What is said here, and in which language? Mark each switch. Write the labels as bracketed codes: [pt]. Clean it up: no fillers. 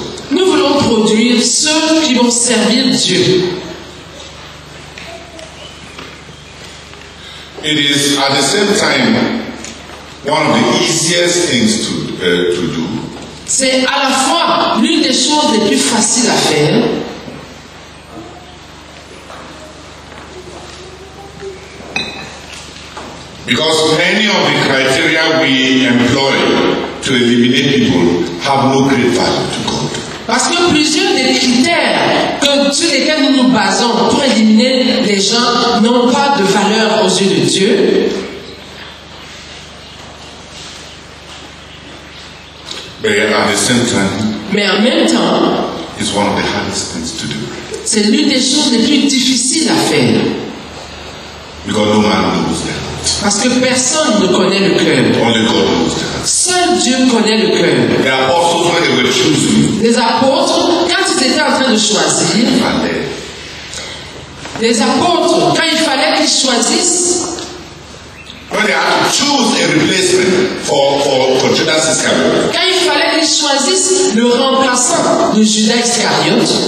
[fr] Nous voulons produire ceux qui vont servir Dieu. [en] It is at the same time one of the easiest things to do. [fr] C'est à la fois l'une des choses les plus faciles à faire. [en] Because many of the criteria we employ to eliminate people have no great value to God. [fr] Parce que plusieurs des critères sur lesquels nous nous basons pour éliminer les gens n'ont pas de valeur aux yeux de Dieu. Mais en même temps, [en] it's one of the hardest things to do. [fr] C'est l'une des choses les plus difficiles à faire. [en] Because no man knows the heart. [fr] Parce que personne ne connaît le cœur. [en] Only God knows the heart. [fr] Seul Dieu connaît le cœur. [en] The apostles, when they were choosing, [fr] les apôtres, quand ils étaient en train de choisir, les apôtres, quand il fallait qu'ils choisissent, [en] when they had to choose a replacement for Judas Iscariot, [fr] quand il fallait qu'ils choisissent le remplaçant de Judas Iscariot,